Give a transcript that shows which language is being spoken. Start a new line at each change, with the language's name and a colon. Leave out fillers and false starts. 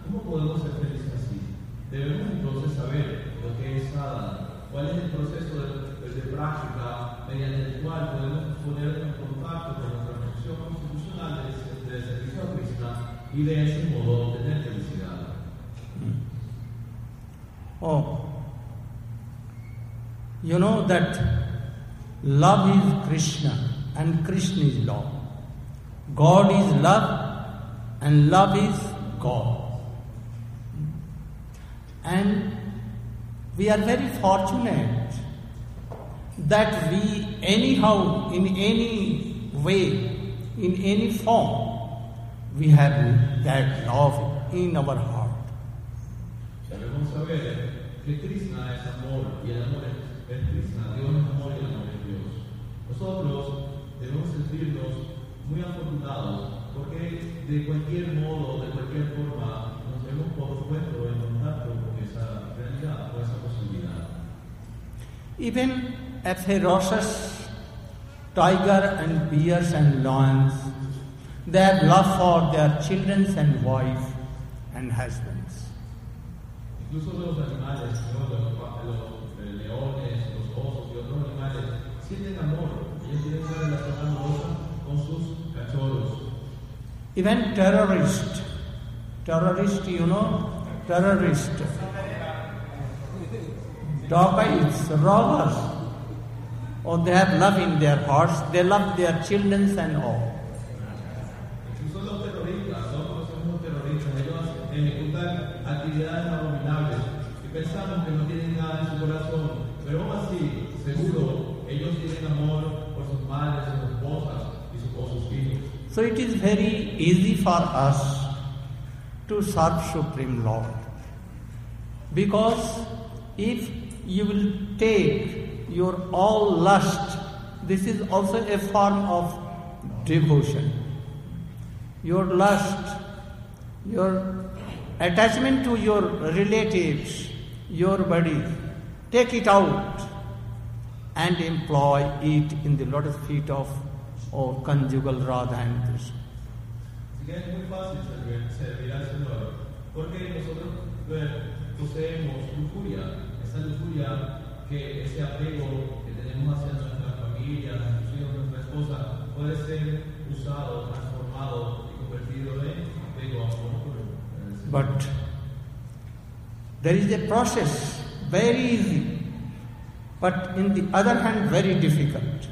Spanish: ¿Cómo podemos ser felices así? Debemos entonces saber lo que es sadhana, cuál es el proceso de práctica mediante el cual podemos ponernos en contacto con nuestra función constitucional de servicio a Krishna y de ese modo tener felicidad.
English: Oh, you know that love is Krishna and Krishna is love. God is love and love is God. And we are very fortunate that we anyhow, in any way, in any form, we have that love in our heart.
Spanish: Que Krishna es amor y el amor es Krishna, Dios es amor y el amor es Dios. Nosotros debemos sentirnos muy afortunados porque de cualquier modo, de cualquier forma, nos hemos puesto en contacto con esa realidad, con esa posibilidad.
English: Even a ferocious tiger and bears and lions, they have love for their children and wife and husband.
Spanish: Incluso los animales, los leones, los osos y otros animales sienten amor. Ellos tienen una relación amorosa con sus cachorros.
English: Even terrorist, you know, terrorist, dogs, robbers, or they have love in their hearts. They love their children and all.
Spanish: Incluso los terroristas, nosotros somos terroristas. Ellos ejecutan actividades abominables y pensamos que no tienen nada en su corazón, pero aún así, seguro, ellos tienen amor por sus madres, sus esposas y sus hijos.
English: So it is very easy for us to serve Supreme Lord, because if you will take your all lust, this is also a form of devotion. Your lust, your attachment to your relatives, your body, take it out and employ it in the lotus feet of conjugal Radha and Krishna.
Spanish: Así que es muy fácil servir al Señor, porque nosotros poseemos lujuria, esa lujuria, que ese apego que tenemos hacia nuestra familia, nuestros hijos, nuestra esposa, puede ser usado, transformado y convertido en apego a amor.
English: But there is a process, very easy, but in the other hand, very difficult.